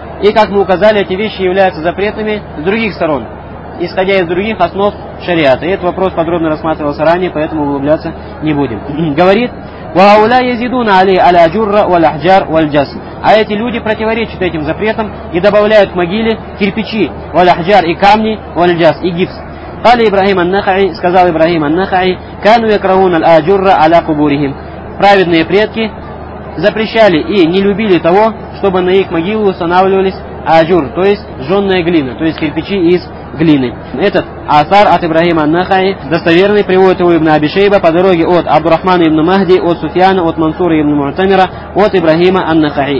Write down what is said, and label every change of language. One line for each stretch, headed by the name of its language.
Russian: И как мы указали, эти вещи являются запретными с других сторон, исходя из других основ шариата. И этот вопрос подробно рассматривался ранее, поэтому углубляться не будем. Говорит
Arabic: «Ваауля язидуна али аля джурра валь ахджар валь джас».
Russian: А эти люди противоречат этим запретам и добавляют к могиле кирпичи,
Arabic: валь ахджар
Russian: и камни,
Arabic: валь джас
Russian: и гипс.
Arabic: قال إبراهيم النخعي
Russian: сказал
Arabic: إبراهيم النخعي كانوا يكرهون الآجر على قبورهم.
Russian: Праведные предки запрещали и не любили того, чтобы на их могилу устанавливались аджур, то есть жженная глина, то есть кирпичи из глины. Этот асар от Ибрахима ан-Нахаи достоверный приводит его Ибн Аби Шейба по дороге от Абдурахмана ибн Махди, от Суфьяна, от Мансура ибн Мутамира, от Ибрахима ан-Нахаи.